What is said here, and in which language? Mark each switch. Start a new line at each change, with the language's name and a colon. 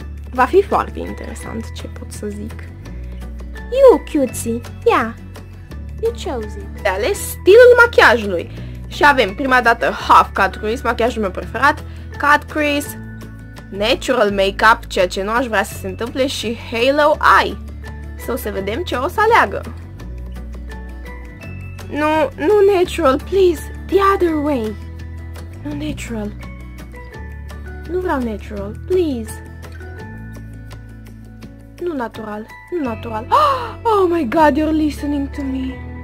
Romanian: Va fi foarte interesant, ce pot să zic.
English: You, cutie, yeah, you chose it.
Romanian: De ales stilul machiajului. Și avem prima dată half cut crease, machiajul meu preferat, cut crease, natural makeup, ceea ce nu aș vrea să se întâmple, și halo eye. Sau să vedem ce o să aleagă. Nu natural,
English: please, the other way.
Romanian: Nu natural. Nu vreau natural,
English: please.
Romanian: Nu natural.
English: Oh my god, you're listening to me.